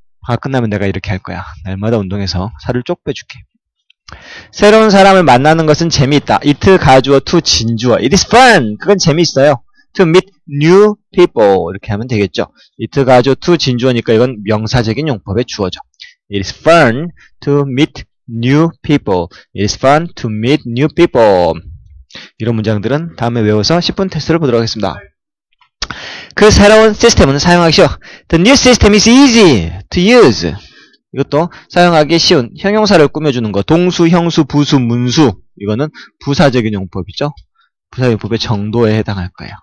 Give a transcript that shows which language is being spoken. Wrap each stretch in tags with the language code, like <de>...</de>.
<ko>아, 끝나면 내가 이렇게 할 거야. 날마다 운동해서 살을 쪽 빼줄게. 새로운 사람을 만나는 것은 재미있다. It 가주어 to 진주어.</ko> <en>It is fun.</en> <ko>그건 재미있어요.</ko> <en>To meet new people.</en> <ko>이렇게 하면 되겠죠. It 가주어 to 진주어니까 이건 명사적인 용법의 주어죠.</ko> <en>It is fun to meet new people. It is fun to meet new people.</en> <ko>이런 문장들은 다음에 외워서 10분 테스트를 보도록 하겠습니다. 그 새로운 시스템은 사용하기 쉬워.</ko> <en>The new system is easy to use.</en> <ko>이것도 사용하기 쉬운 형용사를 꾸며주는 거. 동수, 형수, 부수, 문수. 이거는 부사적인 용법이죠. 부사적인 용법의 정도에 해당할 거예요.</ko>